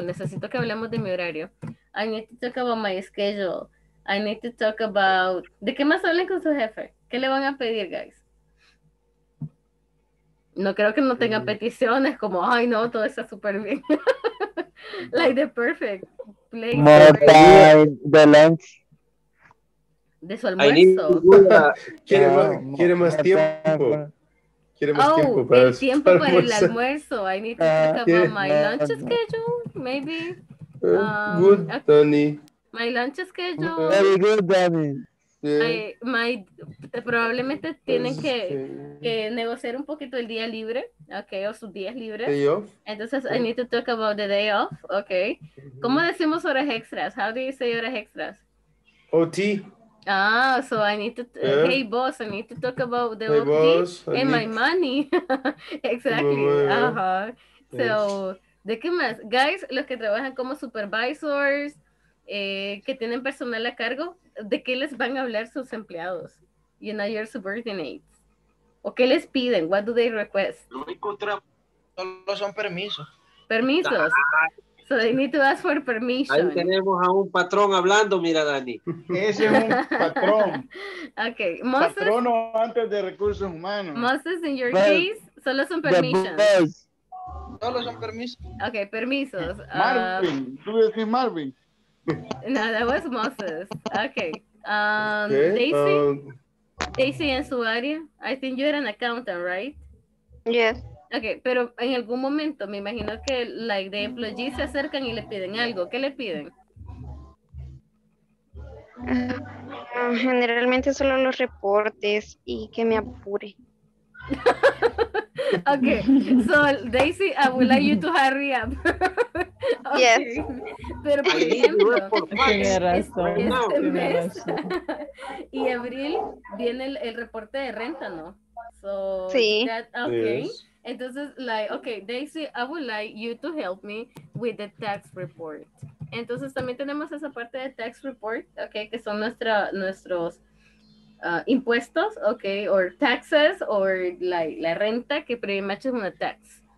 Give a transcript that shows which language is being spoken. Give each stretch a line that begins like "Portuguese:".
Spanish: Necesito que hablemos de mi horario.
English: I need to talk about my schedule. I need to talk about...
Spanish: ¿De qué más hablen con su jefe? ¿Qué le van a pedir, guys? No creo que no tengan peticiones como, ay, no, todo está súper bien.
English: Like the perfect place. More time, the lunch.
Spanish: De su almuerzo. ¿Quiere más tiempo? Tiempo para el almuerzo.
English: I need to talk about my lunch schedule, maybe. Good, Tony. My lunch schedule. Very good, Dani.
Spanish: Probablemente tienen que negociar un poquito el día libre, okay, o sus días libres.
English: Day off. Entonces, yeah. I need to talk about the day off, okay.
Spanish: ¿Cómo decimos horas extras?
English: How do you say
Spanish: horas extras?
English: OT. Ah, so I need to, yeah. Hey boss, I need to talk about the OT boss, and my money. Exactly. Uh-huh. Yes. So,
Spanish: ¿de qué más? Guys, los que trabajan como supervisors, que tienen personal a cargo, ¿de qué les van a hablar sus empleados?
English: You know, your subordinates.
Spanish: ¿O qué les piden?
English: What do they request?
Spanish: Lo único solo son permisos.
English: ¿Permisos? So they need to ask for permission.
Spanish: Ahí tenemos a un patrón hablando, mira, Dani. Ese es un patrón.
English: Okay.
Spanish: Patrón o antes de recursos humanos. Moses,
English: in your case,
Spanish: solo son permisos. Solo son permisos. Okay, permisos. Marvin, tú decís Marvin.
English: No, that was Moses. Okay. Okay. Daisy. Daisy and
Spanish: su área.
English: I think you're an accountant, right? Yes.
Spanish: Okay, pero en algún momento me imagino que
English: like the employees
Spanish: se acercan y le piden algo. ¿Qué le piden? Generalmente solo los reportes y que me apure.
English: Okay, so Daisy, I would like you to hurry up. Okay. Yes.
Spanish: Pero por ejemplo, este mes y abril viene el reporte de renta, ¿no?
English: So,
Spanish: sí.
English: Entonces, like, okay, Daisy, I would like you to help me with the tax report.
Spanish: Entonces, también tenemos esa parte de tax report, okay, que son nuestros impuestos, okay,
English: or taxes,
Spanish: or like la renta, que
English: pretty much
Spanish: es una tax.